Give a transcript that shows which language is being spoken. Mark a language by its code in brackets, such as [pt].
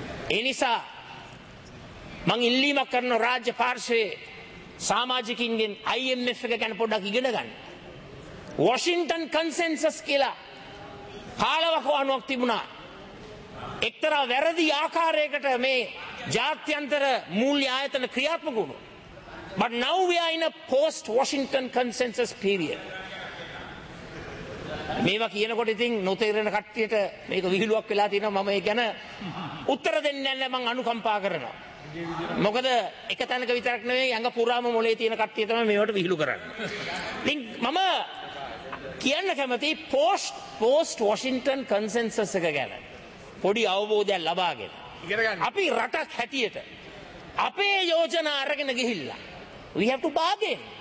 [si] ඒ නිසා මං ඉල්ලීමක් කරන රාජ්‍ය පාර්ශවයේ සමාජිකින්ගෙන් IMF එක ගැන පොඩ්ඩක් ඉගෙන ගන්න. Washington consensus කියලා කාලවකවානුවක් තිබුණා. එක්තරා වැරදි ආකාරයකට මේ ජාත්‍යන්තර මූල්‍ය ආයතන ක්‍රියාත්මක වුණා. [en] But now we are in a post-Washington consensus period. [si] මේවා කියනකොට ඉතින් නොතේරෙන කට්ටියට මේක විහිළුවක් වෙලා තියෙනවා. මම ඒ ගැන උත්තර දෙන්නේ නැහැ. මම අනුකම්පා කරනවා. මොකද එක තැනක විතරක් නෙවෙයි, අඟ පුරාම මොලේ තියෙන කට්ටිය තමයි මේවට විහිළු කරන්නේ. ඉතින් මම කියන්න කැමති post Washington consensus එක ගැන පොඩි අවබෝධයක් ලබාගෙන අපි රටක් හැටියට අපේ යෝජනා අරගෙන ගිහිල්ලා [en] we have to bargain.